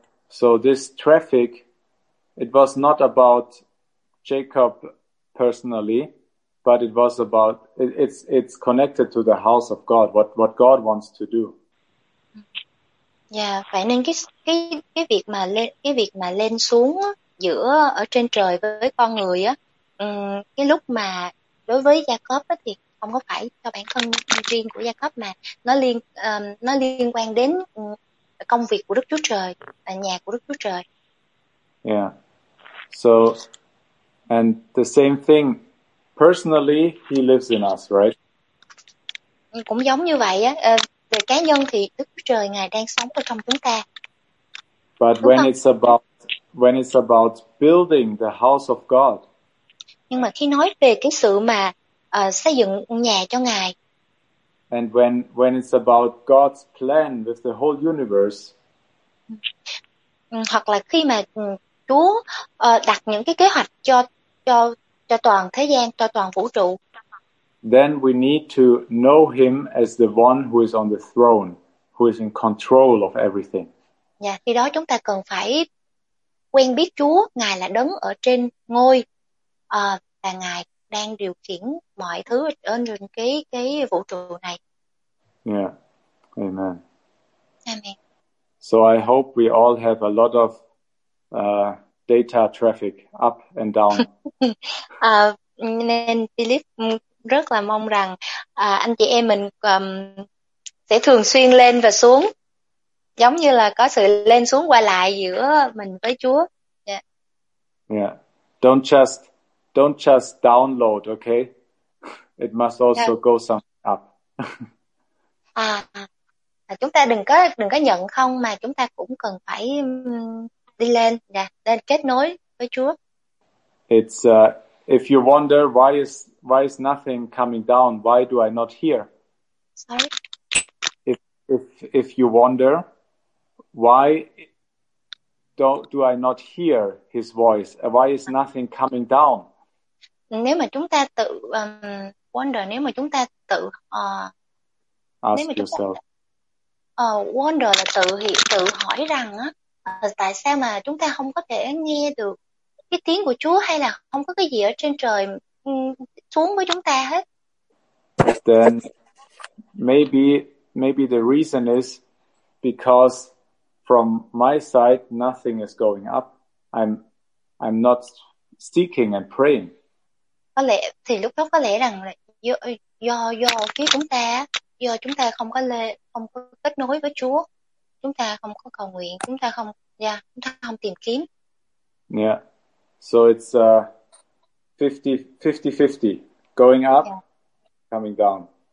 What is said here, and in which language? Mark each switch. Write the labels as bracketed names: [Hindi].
[English] So this traffic, it was not about Jacob personally, but it was about it's connected to the house of God, what God wants to do. [Vietnamese] Yeah, vậy nên cái việc mà lên xuống giữa ở trên trời với con người á, cái lúc mà đối với Jacob á thì không có phải cho bản thân riêng của Jacob, mà nó liên quan đến công việc của Đức Chúa Trời, nhà của Đức Chúa Trời. [English] Yeah. So, and the same thing, personally, he lives in us, right? [Vietnamese] Cũng giống như vậy á, về cá nhân thì Đức Chúa Trời ngài đang sống ở trong chúng ta. [English] But when it's about building the house of God. [Vietnamese] Nhưng mà khi nói về cái sự mà xây dựng nhà cho ngài. [English] And when it's about God's plan with the whole universe. [Vietnamese] Hoặc là khi mà Chúa đặt những cái kế hoạch cho toàn thế gian, cho toàn vũ trụ. [English] Then we need to know him as the one who is on the throne, who is in control of everything. [Vietnamese] Yeah, khi đó chúng ta cần phải quen biết Chúa, ngài là đứng ở trên ngôi và ngài đang điều khiển mọi thứ ở trên cái vũ trụ này. [English] Yeah. Amen. Amen. So I hope we all have a lot of data traffic up and down. [Vietnamese] Nên Philip rất là mong rằng anh chị em mình sẽ thường xuyên lên và xuống, giống như là có sự lên xuống qua lại giữa mình với Chúa. Yeah. [English] don't just download, okay? It must also go something up. [Vietnamese] À, chúng ta đừng có nhận không mà chúng ta cũng cần phải đi lên, lên kết nối với Chúa. [English] It's if you wonder why is nothing coming down, why do I not hear? Sorry. If you wonder why do I not hear his voice? Why is nothing coming down? [Vietnamese] Nếu mà chúng ta tự wonder, nếu mà chúng ta tự [English] ask yourself. [Vietnamese] Wonder là tự hỏi rằng tại sao mà chúng ta không có thể nghe được cái tiếng của Chúa hay là không có cái gì ở trên trời xuống với chúng ta hết. [English] Then maybe the reason is because from my side nothing is going up. I'm not seeking and praying. [Vietnamese] Có lẽ thì lúc đó có lẽ rằng là do phía chúng ta, do chúng ta không có không có kết nối với Chúa, chúng ta không có cầu nguyện, chúng ta không chúng ta không tìm kiếm. [English] Yeah. So it's 50-50, going up, coming down.